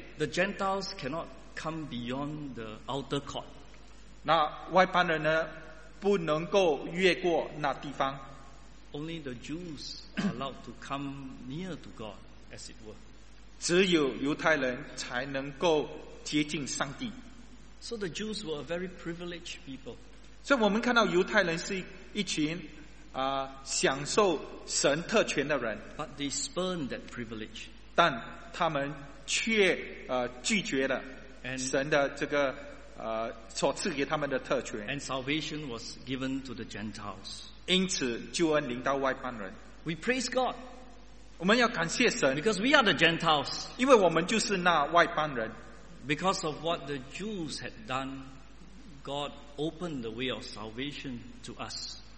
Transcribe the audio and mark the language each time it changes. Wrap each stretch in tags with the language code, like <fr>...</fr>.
<en>The Gentiles cannot come beyond the outer court.</en> <zh>那外邦人呢, 不能够越过那地方。</zh> <en>Only the Jews are allowed to come near to God, as it were.</en> <zh>只有犹太人才能够接近上帝。</zh> <en>So the Jews were a very privileged people.</en> <zh>所以我们看到犹太人是一群 享受神特权的人。</zh> <en>But they spurned that privilege.</en> <zh>但他们却 拒绝了神的这个 所赐给他们的特权。</zh> <en>And salvation was given to the Gentiles.</en> <zh>因此救恩临到外邦人。</zh> <en>We praise God.</en> <zh>我们要感谢神。</zh> <en>Because we are the Gentiles.</en> <zh>因为我们就是那外邦人。</zh> <en>Because of what the Jews had done, God opened the way of salvation to us.</en>